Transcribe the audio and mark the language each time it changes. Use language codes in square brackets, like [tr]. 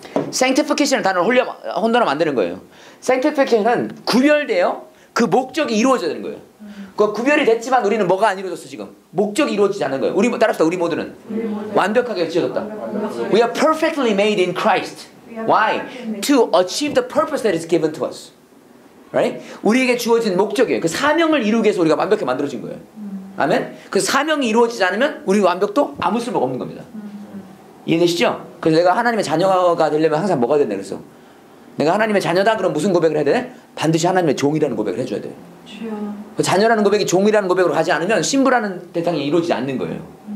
[ko] Sanctification은 단어를 혼돈하면 안 되는 거예요. Sanctification은 구별되어 그 목적이 이루어져야 되는 거예요. 그 구별이 됐지만 우리는 뭐가 안 이루어졌어 지금? 목적이 이루어지지 않은 거예요. 우리 따라합시다. 우리 모두는 완벽하게 지어졌다. [en] We are perfectly made in Christ. Why? To achieve the purpose that is given to us. Right? [ko] 우리에게 주어진 목적이에요. 그 사명을 이루기 위해서 우리가 완벽하게 만들어진 거예요. 아멘? 그 사명이 이루어지지 않으면 우리 완벽도 아무 쓸모가 없는 겁니다. 이해되시죠? 그래서 내가 하나님의 자녀가 되려면 항상 뭐가 돼야 돼? 그래서 내가 하나님의 자녀다 그럼 무슨 고백을 해야 돼? 반드시 하나님의 종이라는 고백을 해줘야 돼. 그 자녀라는 고백이 종이라는 고백으로 가지 않으면 신부라는 대상이 이루어지지 않는 거예요.